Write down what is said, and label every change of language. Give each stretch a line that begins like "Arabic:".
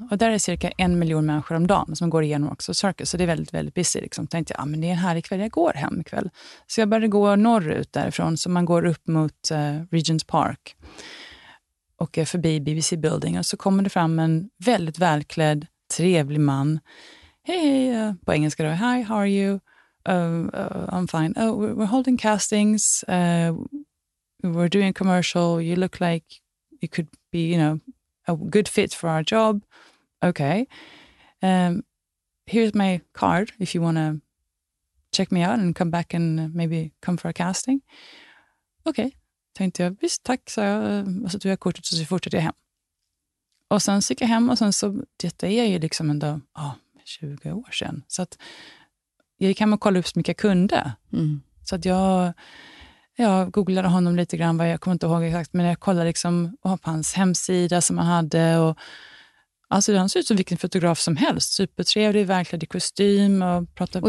Swedish: Och där är cirka 1 miljon människor om dagen som går igenom Oxford Circus. Så det är väldigt, väldigt busy. Liksom. Tänkte jag, men det är en härlig kväll, jag går hem ikväll. Så jag började gå norrut därifrån. Så man går upp mot Regent's Park. Och är förbi BBC Building. Och så kommer det fram en väldigt välklädd, trevlig man. Hej, på engelska då.
English: Hi, how are you? I'm fine. Oh, we're holding castings. We're doing a commercial. You look like you could be, you know, a good fit for our job. Okay. Here's my card if you want to check me out and come back and maybe come for a casting.
Swedish: Okay. Tänkte jag, visst, tack, sa jag. Och så tog jag kortet och så fortsatte jag hem. Och sen gick jag hem och sen så, detta är ju liksom ändå 20 år sedan. Så att jag gick hem och kollade upp så mycket kunder. Mm. Så att jag googlade honom lite grann, vad jag kommer inte ihåg exakt, men jag kollade liksom på hans hemsida som han hade, och alltså han ser ut som vilken fotograf som helst, supertrevlig, verklädd i kostym och pratar bra.